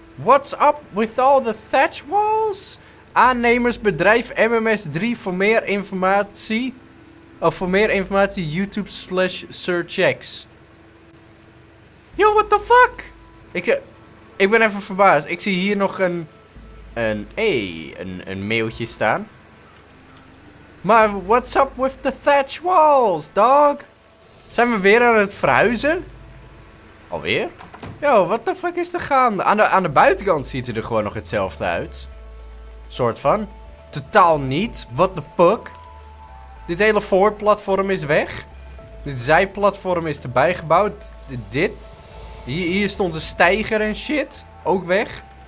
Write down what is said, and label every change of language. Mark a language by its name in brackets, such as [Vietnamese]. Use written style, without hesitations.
[English] What's up with all the thatch walls? [Dutch] Aannemers bedrijf MMS3 voor meer informatie. Of voor meer informatie YouTube/SirChex. [English] Yo, what the fuck? [Dutch] Ik ben even verbaasd. Ik zie hier nog een mailtje staan. [English] Maar what's up with the thatch walls, dog? [Dutch] Zijn we weer aan het verhuizen? Alweer? [English] Yo, what the fuck [Dutch] is er gaande? Aan de buitenkant ziet het er gewoon nog hetzelfde uit. Soort van. Totaal niet. [English] What the fuck? [Dutch] Dit hele voorplatform is weg. Dit zijplatform is erbij gebouwd. Dit. Hier stond een steiger en shit. Ook weg.